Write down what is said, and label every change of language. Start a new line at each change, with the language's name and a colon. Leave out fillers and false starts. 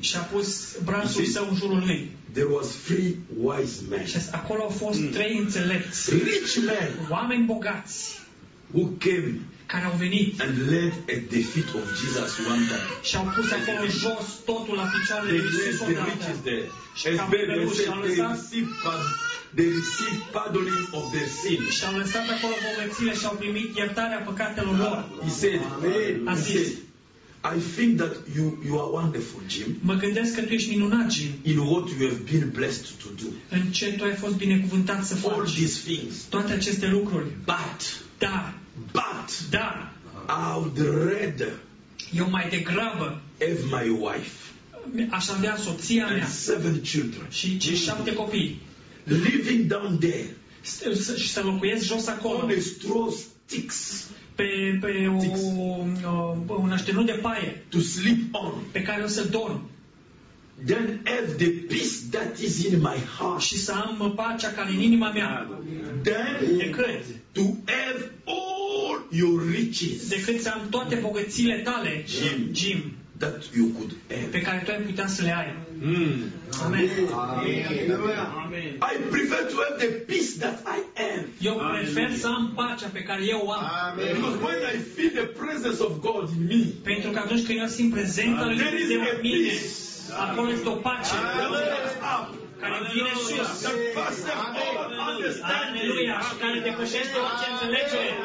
Romanian: Și a pus brațul său în jurul lui.
English: There was three wise men.
Romanian: Și acolo au fost trei înțelepți.
English: Rich men.
Romanian: Oameni bogați.
English: Who came?
Romanian: Care au venit.
English: And led at the feet of Jesus one day.
Romanian: Și au pus acolo jos totul la picioarele lui Iisus o dată.
English: The riches there.
Romanian: Și a lăsat.
English: They receive pardoning of their sin.
Romanian: Și au lăsat acolo bogățile și au primit iertarea păcatelor lor.
English: He said,
Romanian: a zis,
English: I think that you are wonderful, Jim.
Romanian: Mă gândesc că tu ești minunat, Jim.
English: In what you have been blessed to do.
Romanian: În ce tu ai fost binecuvântat să faci.
English: All these things.
Romanian: Toate aceste lucruri.
English: But.
Romanian: Da.
English: But.
Romanian: Da.
English: I would rather.
Romanian: Eu mai degrabă.
English: Have my wife.
Romanian: Aș avea soția mea.
English: And seven children.
Romanian: Și 7 copii.
English: Living down there.
Romanian: Și să locuiesc jos acolo.
English: On a straw sticks.
Romanian: Pe un așternut de paie.
English: To sleep on.
Romanian: Pe care o să dorm.
English: Then have the peace that is in my heart.
Romanian: Și să am pacea care în inima mea.
English: Then
Romanian: decât
English: to have all your riches.
Romanian: Decât să am toate bogățiile tale.
English: Jim. That you could have.
Romanian: Pe care tu ai putea să le ai.
English: Amen. I prefer to have the peace that I am.
Romanian: Eu prefer să am pacea pe care eu o am.
English: Amen. Because when I feel the presence of God in me.
Romanian: Pentru că atunci când eu simt prezența lui Dumnezeu în mine, acolo este o pace.
English: Amen.
Romanian: Care vine sus. Aleluia. Și care depășește orice înțelegere.